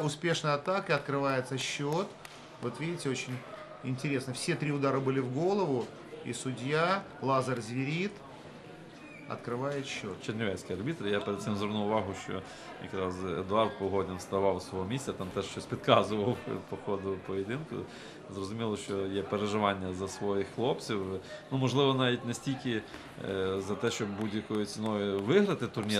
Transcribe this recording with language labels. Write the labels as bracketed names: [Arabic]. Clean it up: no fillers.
[Ukrainian] Успішна атака, відкривається счет. [Russian] Вот видите, очень интересно. Все три удара были в голову, и судья Лазар Звірит открывает счет. [Ukrainian] Чернівецький арбітр. Я перед цим звернув увагу, що якраз Едуард Погодин вставав у свого місця, там теж щось підказував по ходу поєдинку. Зрозуміло, що є переживання за своїх хлопців. Ну, можливо, навіть не стільки за те, щоб будь-якою ціною виграти турнір,